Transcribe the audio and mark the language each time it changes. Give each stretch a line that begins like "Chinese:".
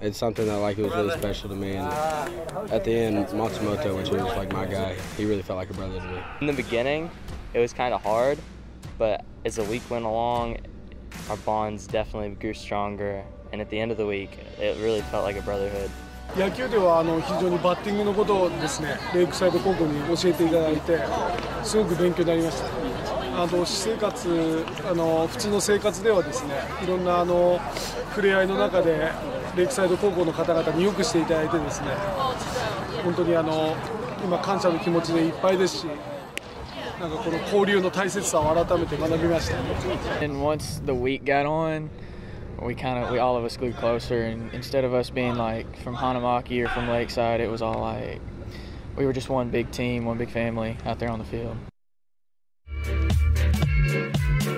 English: It's something that like it was really special to me. And at the end, Matsumoto, which was like my guy, he really felt like a brother to me. In the beginning, it was kind of hard, but as the week went along, our bonds definitely grew stronger. And at the end of the week, it really felt like a brotherhood.
Japanese: 野球ではあの非常にバッティングのことをですね、レイクサイド高校に教えていただいて、すごく勉強になりました。あの私生活あの、普通の生活ではですね、いろんなあの触れ合いの中で、レイクサイド高校の方々によくしていただいてですね、本当にあの今感謝の気持ちでいっぱいですし、なんかこの交流の大切さを改めて学びました。
English: And once the week got on,We all of us grew closer, and instead of us being like from Hanamaki or from Lakeside, it was all like we were just one big team, one big family out there on the field.